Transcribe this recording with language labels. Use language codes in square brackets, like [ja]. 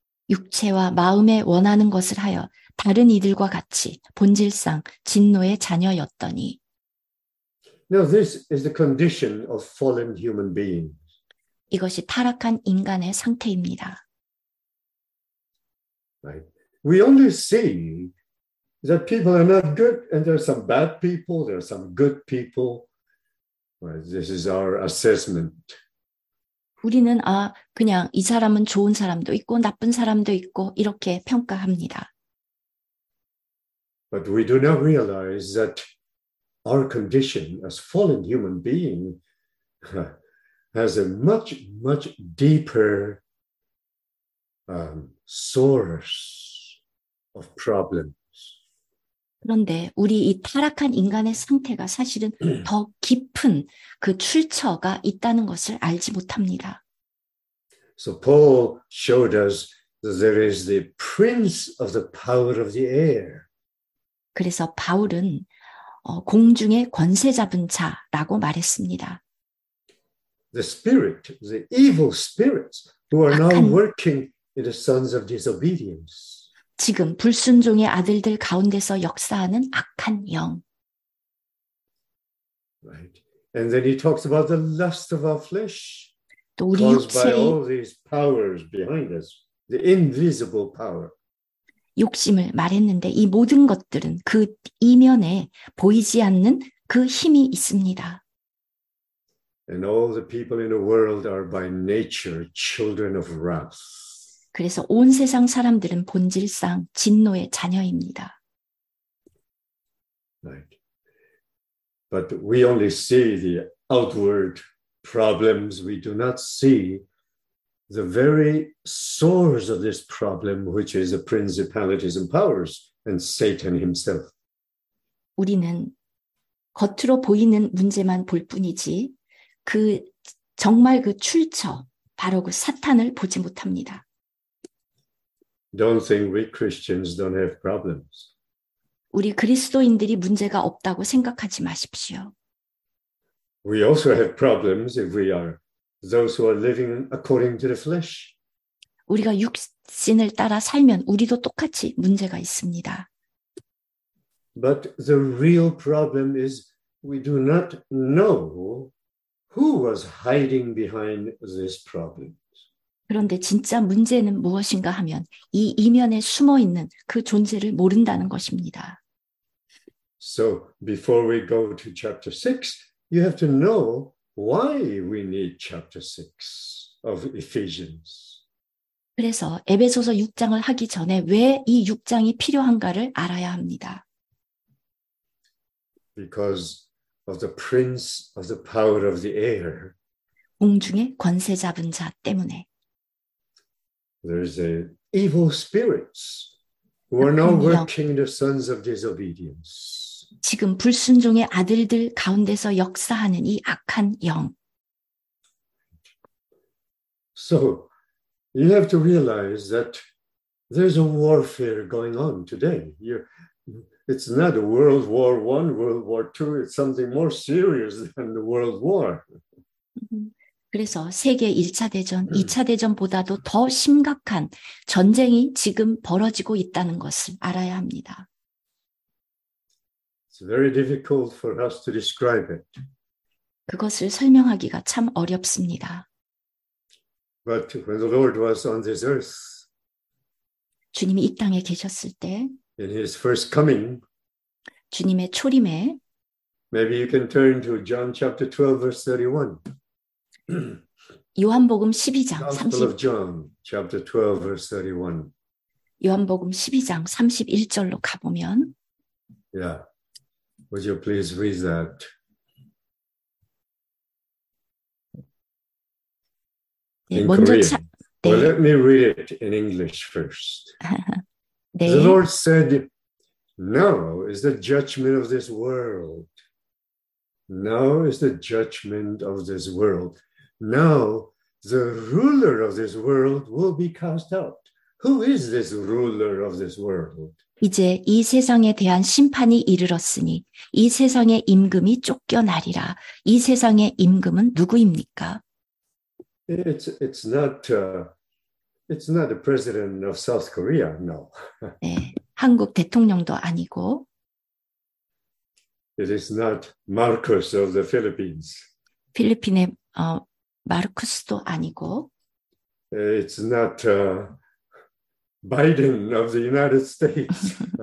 [ko] 육체와 마음에 원하는 것을 하여 다른 이들과 같이 본질상 진노의 자녀였더니. [en] Now this is the condition of fallen human beings. [ko] 이것이 타락한 인간의 상태입니다. [en] Right. We only see that people are not good, and there are some bad people, there are some good people. Well, this is our assessment. [ko] 우리는 아 그냥 이 사람은 좋은 사람도 있고 나쁜 사람도 있고 이렇게 평가합니다. [en] But we do not realize that our condition as fallen human being has a much, much deeper source of problems. [ko] 그런데 우리 이 타락한 인간의 상태가 사실은 더 깊은 그 출처가 있다는 것을 알지 못합니다. [en] So Paul showed us that there is the prince of the power of the air. [ko] 그래서 바울은 공중의 권세 잡은 자라고 말했습니다. [en] The spirit, the evil spirits who are now working in the sons of disobedience. [ko] 지금 불순종의 아들들 가운데서 역사하는 악한 영. [en] Right. And then he talks about the lust of our flesh. [ko] 또 우리 육체의 [en] caused by all these powers behind us, the invisible power. [ko] 욕심을 말했는데 이 모든 것들은 그 이면에 보이지 않는 그 힘이 있습니다. [en] And all the people in the world are by nature children of wrath. [ko] 그래서 온 세상 사람들은 본질상 진노의 자녀입니다. [en] Right. But we only see the outward problems. We do not see the very source of this problem, which is the principalities and powers and Satan himself. [ko] 우리는 겉으로 보이는 문제만 볼 뿐이지 그 정말 그 출처 바로 그 사탄을 보지 못합니다. [en] Don't think we Christians don't have problems. [ko] 우리 그리스도인들이 문제가 없다고 생각하지 마십시오. [en] We also have problems if we are those who are living according to the flesh. [ko] 우리가 육신을 따라 살면 우리도 똑같이 문제가 있습니다. [en] But the real problem is we do not know who was hiding behind this problem. [ko] 그런데 진짜 문제는 무엇인가 하면 이 이면에 숨어 있는 그 존재를 모른다는 것입니다. [en] So before we go to chapter 6, you have to know why we need chapter 6 of Ephesians. [ko] 그래서 에베소서 6장을 하기 전에 왜 이 6장이 필요한가를 알아야 합니다. [en] Because of the prince of the power of the air. [ko] 공중의 권세 잡은 자 때문에. [en] There is a evil spirits who are now working the sons of disobedience. [ko] 지금 불순종의 아들들 가운데서 역사하는 이 악한 영. [en] So, you have to realize that there's a warfare going on today. It's not a World War I, World War II, it's something more serious than the World War. [ko] 그래서 세계 1차 대전, 2차 대전보다도 더 심각한 전쟁이 지금 벌어지고 있다는 것을 알아야 합니다. [en] It's very difficult for us to describe it. [ko] 그것을 설명하기가 참 어렵습니다. [en] But when the Lord was on this earth, [ko] 주님이 이 땅에 계셨을 때, [en] in his first coming, [ko] 주님의 초림에, [en] maybe you can turn to John chapter 12, verse 31. [ko] 요한복음 12장 [en] Gospel of John, chapter 12, verse 31. [ko] 요한복음 12장 31절로 가보면, [en] yeah. Would you please read that? In [ko] 먼저 [en] Korean. [ko] 네. [en] Well, let me read it in English first. [ko] 네. [en] The Lord said, now is the judgment of this world. Now is the judgment of this world. Now the ruler of this world will be cast out. Who is this ruler of this world? [ko] 이제 이 세상에 대한 심판이 이르렀으니 이 세상의 임금이 쫓겨나리라. 이 세상의 임금은 누구입니까? [en] It's not the president of South Korea, no. [ko] 네, 한국 대통령도 아니고. [en] It is not Marcos of the Philippines. [ko] 필리핀의 마르쿠스도 아니고. [en] It's not Biden of the United States.